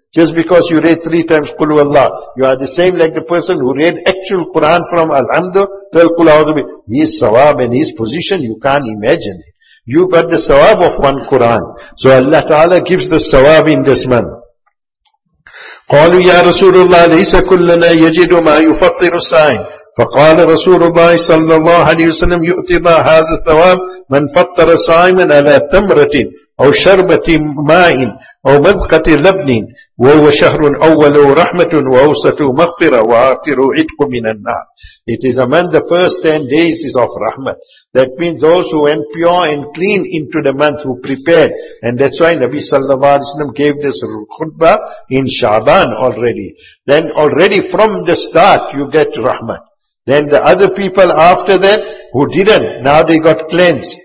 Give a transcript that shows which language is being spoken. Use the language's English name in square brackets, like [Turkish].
[English] Just because you read three times Qul Huwa Allah, you are the same like the person who read actual Quran from Al-Hamdu to Al-Qul A'udhu Bi. His sawab and his position, you can't imagine it. You got the sawab of one Quran. So Allah Ta'ala gives the sawab in this month. [Arabic] قَالُوا يَا رَسُولُ اللَّهِ لَيْسَ كُلَّنَا يَجِدُ مَا يُفَطِّرُ السَّعِينَ فَقَالَ رَسُولُ اللَّهِ صَلَّى اللَّهُ عَلَيْهِ وَسَلَّمْ يُؤْتِضَى هَذَا الثَّوَابِ مَنْ فَطَّرَ صَائِمًا عَلَى تَمْرَةٍ أو شربة ماء أو مذقة لبن وهو شهر أول رحمة وأوسط مغفرة وآخر عتق من النار. [English] It is among the first 10 days is of rahmat. That means those who went pure and clean into the month, who prepared. And that's why Nabi sallallahu alayhi wa sallam gave this khutbah in Shaban already. Then already from the start you get rahmat. Then the other people after that who didn't, now they got cleansed.